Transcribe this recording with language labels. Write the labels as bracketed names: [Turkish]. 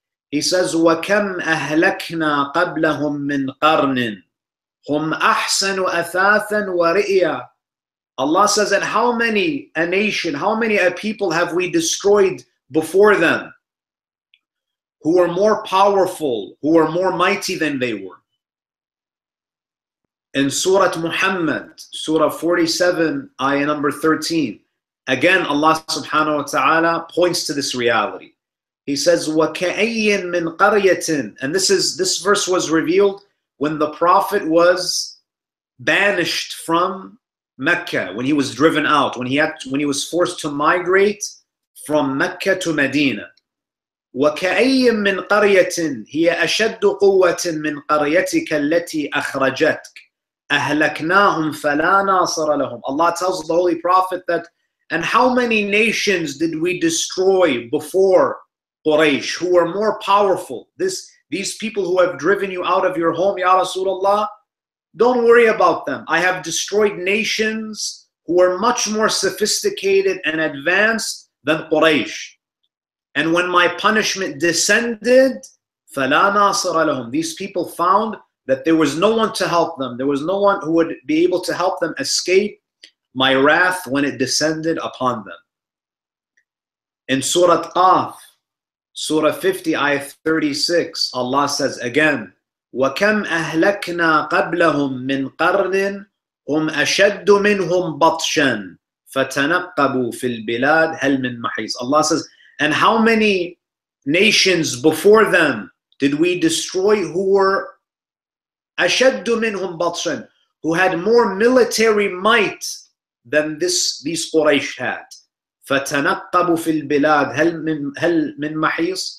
[English] He says, [Arabic] وَكَمْ أَهْلَكْنَا قَبْلَهُمْ مِنْ قَرْنٍ هُمْ أَحْسَنُ أَثَاثًا وَرِئِيَا. [English] Allah says, and how many a nation, how many a people have we destroyed before them who were more powerful, who were more mighty than they were? In Surah Muhammad, Surah 47, ayah number 13, again Allah subhanahu wa ta'ala points to this reality. He says, [Arabic] وَكَأَيِّن مِّن قَرْيَةٍ. [English] And this verse was revealed when the Prophet was banished from Mecca, when he was driven out, when he was forced to migrate from Mecca to Medina. [Arabic] وَكَأَيِّن مِّن قَرْيَةٍ هِيَ أَشَدُّ قُوَّةٍ مِّن قَرْيَتِكَ الَّتِي أَخْرَجَتْكَ. أَهْلَكْنَاهُمْ فَلَا نَاصَرَ لَهُمْ. [English] Allah tells the Holy Prophet that, and how many nations did we destroy before Quraysh, who are more powerful. These people who have driven you out of your home, Ya Rasulullah, don't worry about them. I have destroyed nations who are much more sophisticated and advanced than Quraysh. And when my punishment descended, [Arabic] فَلَا نَاصِرَ لَهُمْ, [English] these people found that there was no one to help them. There was no one who would be able to help them escape my wrath when it descended upon them. In Surah Qaf, Surah 50, Ayah 36, Allah says again, [Arabic] وَكَمْ أَهْلَكْنَا قَبْلَهُمْ مِنْ قَرْنٍ هُمْ أَشَدُّ مِنْهُمْ بَطْشًا فَتَنَقَّبُوا فِي الْبِلَادِ هَلْ مِنْ مَحِيصٍ. [English] Allah says, and how many nations before them did we destroy who were [Arabic] أَشَدُّ مِنْهُمْ بَطْشًا, [English] who had more military might than these Quraysh had. [Arabic] فَتَنَقَّبُوا فِي الْبِلَادِ هَلْ مِنْ مَحِيصٍ.